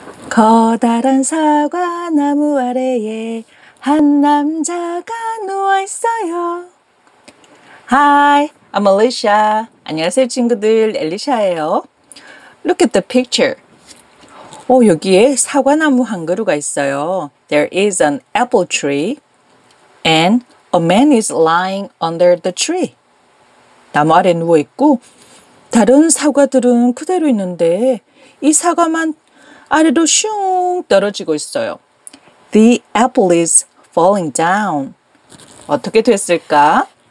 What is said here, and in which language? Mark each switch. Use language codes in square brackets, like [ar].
[ko] 커다란 사과나무 아래에 한 남자가 누워 있어요. [en] Hi, I'm Alicia. [ko] 안녕하세요, 친구들. 엘리샤예요. [en] Look at the picture. [ko] 오, 여기에 사과나무 한 그루가 있어요. [en] There is an apple tree and a man is lying under the tree. [ko] 나무 아래 누워 있고 다른 사과들은 그대로 있는데 이 사과만 아래로 슝 떨어지고 있어요. [en] The apple is falling down. [ko] 어떻게 됐을까?